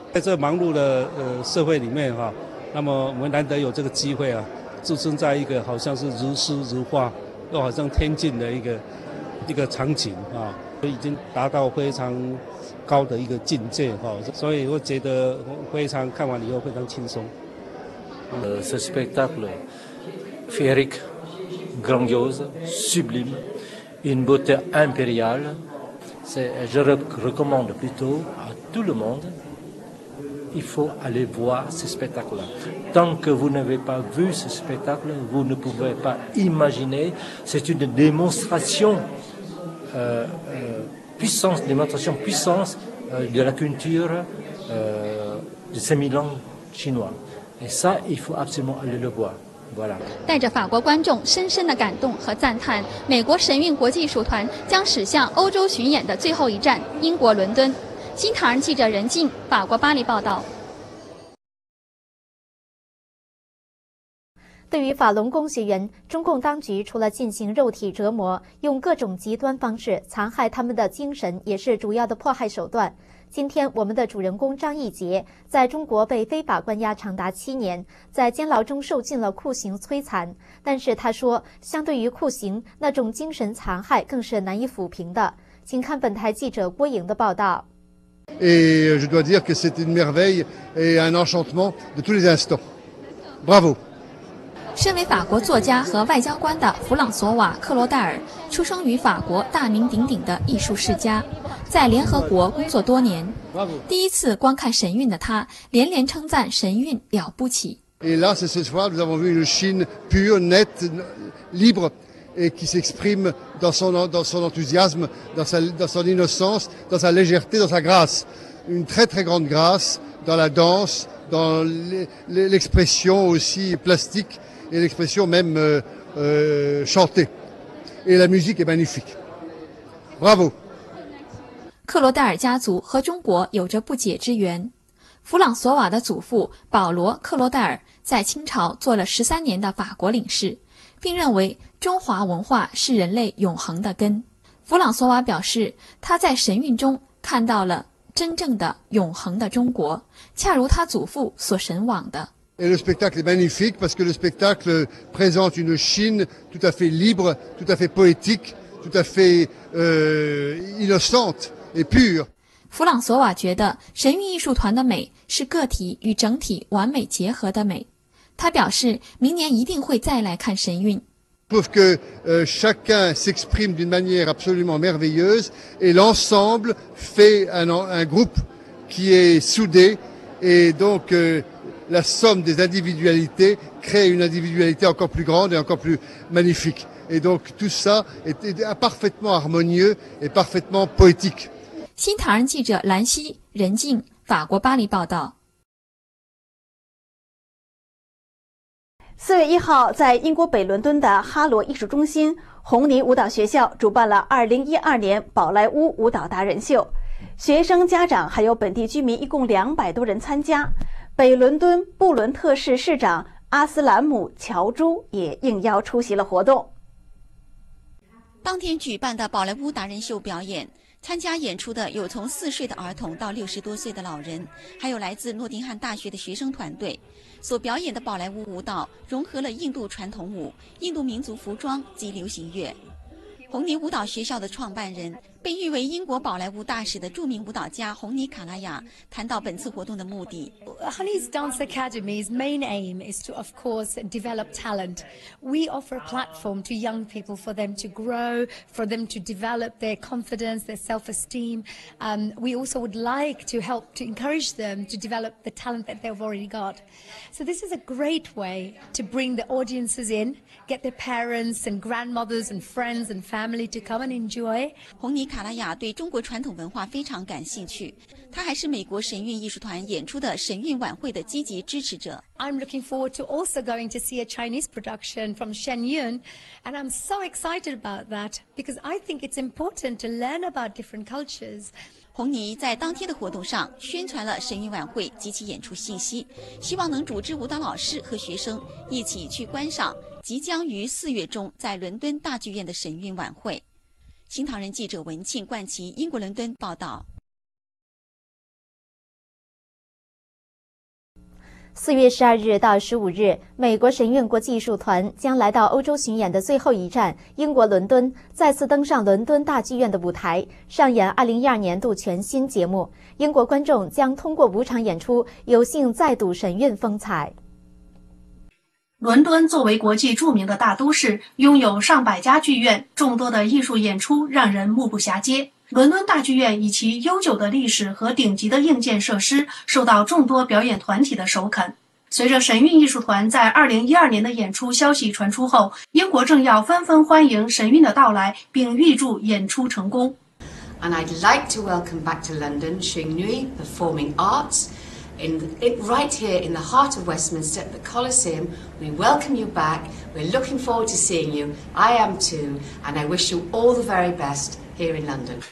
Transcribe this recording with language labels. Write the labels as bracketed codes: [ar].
[zh] 在这忙碌的社会里面哈、啊，那么我们难得有这个机会啊，置身在一个好像是如诗如画，又好像天境的一个场景啊，所以已经达到非常高的一个境界哈、啊，所以我觉得非常看完以后非常轻松。 [fr] Ce spectacle féerique, grandiose, sublime, une beauté impériale. Je recommande plutôt à tout le monde. Il faut aller voir ce spectacle-là. Tant que vous n'avez pas vu ce spectacle, vous ne pouvez pas imaginer. C'est une démonstration, puissance de la culture de 5000 ans chinois. Et ça, il faut absolument aller le voir. Voilà. [zh] 带着法国观众深深的感动和赞叹，美国神韵国际艺术团将驶向欧洲巡演的最后一站——英国伦敦。新唐人记者任静，法国巴黎报道。对于法轮功学员，中共当局除了进行肉体折磨，用各种极端方式残害他们的精神，也是主要的迫害手段。今天我们的主人公张义杰在中国被非法关押长达7年，在监牢中受尽了酷刑摧残，但是他说相对于酷刑，那种精神残害更是难以抚平的。请看本台记者郭莹的报道。 [fr] Et je dois dire que c'est une merveille et un enchantement de tous les instants. Bravo. [zh] 身为法国作家和外交官的弗朗索瓦·克罗代尔出生于法国大名鼎鼎的艺术世家，在联合国工作多年，第一次观看神韵的他连连称赞神韵了不起。 [fr] Et là, c'est cette fois, nous avons vu une Chine pure, nette, libre, et qui s'exprime dans son enthousiasme, dans son innocence, dans sa légèreté, dans sa grâce. Une très très grande grâce dans la danse, dans l'expression aussi plastique et l'expression même chantée. Et la musique est magnifique. Bravo. [zh] 克罗代尔家族和中国有着不解之缘。弗朗索瓦的祖父保罗·克罗代尔在清朝做了13年的法国领事，并认为中华文化是人类永恒的根。弗朗索瓦表示，他在神韵中看到了真正的永恒的中国，恰如他祖父所神往的。 [fr] Et le spectacle est magnifique parce que le spectacle présente une Chine tout à fait libre, tout à fait poétique, tout à fait innocente. [zh] 弗朗索瓦觉得神韵艺术团的美是个体与整体完美结合的美，他表示明年一定会再来看神韵。 [fr] Prouve que chacun s'exprime d'une manière absolument merveilleuse et l'ensemble fait un groupe qui est soudé et donc la somme des individualités crée une individualité encore plus grande et encore plus magnifique et donc tout ça est parfaitement harmonieux et parfaitement poétique。 [zh] 新唐人记者兰西、任静，法国巴黎报道。 4月1号，在英国北伦敦的哈罗艺术中心，红泥舞蹈学校主办了2012年宝莱坞舞蹈达人秀，学生、家长还有本地居民一共200多人参加。北伦敦布伦特市市长阿斯兰姆·乔朱也应邀出席了活动。当天举办的宝莱坞达人秀表演。参加演出的有从4岁的儿童到60多岁的老人，还有来自诺丁汉大学的学生团队。所表演的宝莱坞舞蹈融合了印度传统舞、印度民族服装及流行乐。红泥舞蹈学校的创办人、被誉为英国宝莱坞大使的著名舞蹈家红泥卡拉雅谈到本次活动的目的。 [en] Honey's Dance Academy's main aim is to, of course, develop talent. We offer a platform to young people for them to grow, for them to develop their confidence, their self-esteem. We also would like to help to encourage them to develop the talent that they've already got. So this is a great way to bring the audiences in, get their parents and grandmothers and friends and family to come and enjoy. [zh] 红泥卡拉雅对中国传统文化非常感兴趣。他还是美国神韵艺术团演出的神韵晚会的积极支持者。 [en] I'm looking forward to also going to see a Chinese production from Shen Yun, and I'm so excited about that because I think it's important to learn about different cultures. [zh] 洪妮在当天的活动上宣传了神韵晚会及其演出信息，希望能组织舞蹈老师和学生一起去观赏即将于四月中在伦敦大剧院的神韵晚会。新唐人记者文庆、冠奇，英国伦敦报道。四月十二日到十五日，美国神韵国际艺术团将来到欧洲巡演的最后一站英国伦敦，再次登上伦敦大剧院的舞台，上演2012年度全新节目。英国观众将通过五场演出，有幸再睹神韵风采。伦敦作为国际著名的大都市，拥有上百家剧院，众多的艺术演出让人目不暇接。伦敦大剧院以其悠久的历史和顶级的硬件设施受到众多表演团体的首肯。随着神韵艺术团在2012年的演出消息传出后，英国政要纷纷欢迎神韵的到来，并预祝演出成功。 [en] And I'd like to welcome back to London Xing Nui Performing Arts right here in the heart of Westminster at the Colosseum. We welcome you back. We're looking forward to seeing you. I am too, and I wish you all the very bestHere in London.